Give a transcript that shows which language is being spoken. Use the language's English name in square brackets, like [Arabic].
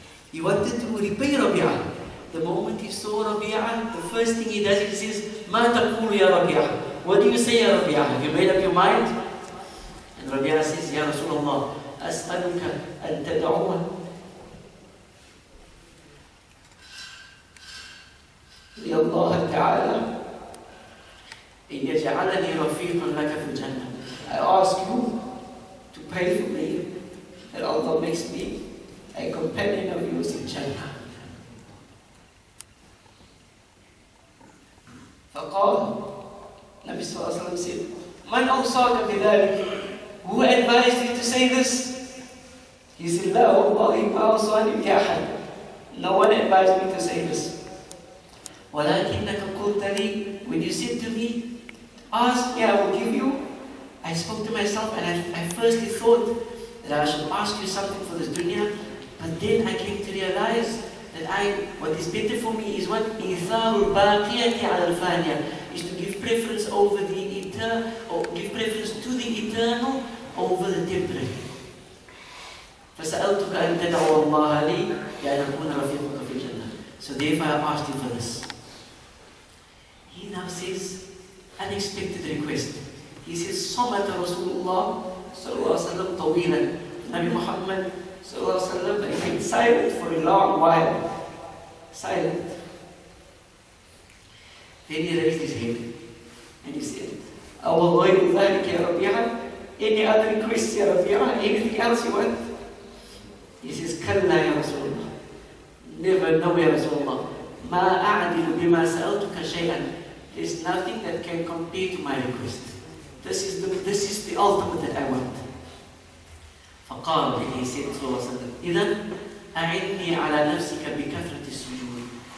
[English] He wanted to repay Rabi'ah. The moment he saw Rabi'ah, the first thing he does, he says, [Arabic] مَا تَقُولُ يَا رَبِيعَةَ. [English] What do you say, [Arabic] يَا رَبِيعَةَ? [English] Have you made up your mind? And Rabi'ah says, Ya Rasulullah, [Arabic] أسألك أن تدعو. يا الله تعالى أن يجعلني رفيقا لك في الجنة. [English] I ask you to pray for me that Allah makes me a companion of yours in Jannah. [Arabic] فقال نبي صلى الله عليه وسلم, من أوصاك بذلك؟ [English] Who advised you to say this? He said, [Arabic] لا والله ما أوصاني بأحد. [English] No one advised me to say this. [Arabic] ولكنك قلت لي. [English] When you said to me, ask me, I will give you. I spoke to myself and I firstly thought that I should ask you something for this dunya. But then I came to realize that what is better for me is what? [Arabic] إثار الباقية على الفانية. [English] Is to give preference over the or give preference to the eternal over the temporary. [Arabic] فَسَأَلْتُكَ أَنْ تَدَعُوَ اللَّهَ لِي يَعْنَ كُونَ رَفِيقُكَ فِي الْجَنَّةِ. [English] So therefore I asked him for this. He now says, unexpected request. He says, [Arabic] صَمَتَ رَسُولُ اللَّهِ صَلَى اللَّهُ عَلَيْهِ وَسَلَّمُ طَوِيلًا. [English] Nabi Muhammad صلى الله عليه وسلم remained silent for a long while. Silent. Then he raised his head and he said, [Arabic] أَوَلَّيْهُ ذَلِكَ يَا رَبِيعًا. [English] Any other requests, [Arabic] يَا رَبِيعًا? [English] Anything else you want? He says, [Arabic] كَلَّا يَا رَسُولُ اللَّهِ. [English] Never know, [Arabic] يَا رَسُولُ اللَّهِ. مَا أَعْدِلُ بِمَا سَأَلْتُكَ شَيْئًا. [English] There's nothing that can compete to my request. This is the ultimate that I want. [Arabic] فقال [English] and he said to us, [Arabic] إذن أعني على نفسك بكثرة السجود.